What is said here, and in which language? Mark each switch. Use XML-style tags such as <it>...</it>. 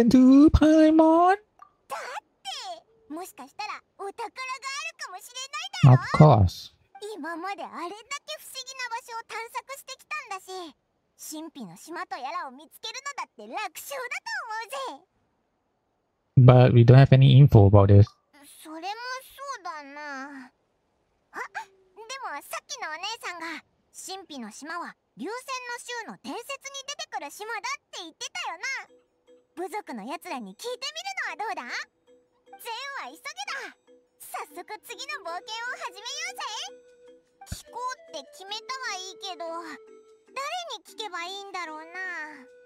<en>Butterfly Island to Paimon。</en> <ja>だって、もしかしたらお宝があるかもしれないだろ。</ja> <en>Of course。</en> <ja>今まであれだけ不思議な場所を探索してきたんだし、神秘の島とやらを見つけるのだって楽勝だと思うぜ。</ja> <en>But we don't have any info about this。</en> <ja>それもそうだな。あ、でもさっきのお姉さんが神秘の島は流線の州の伝説に出てくる島だって言ってたよな。部族の奴らに聞いてみるのはどうだ。善は急げだ。早速次の冒険を始めようぜ。聞こうって決めたはいいけど、誰に聞けばいいんだろうな。</ja>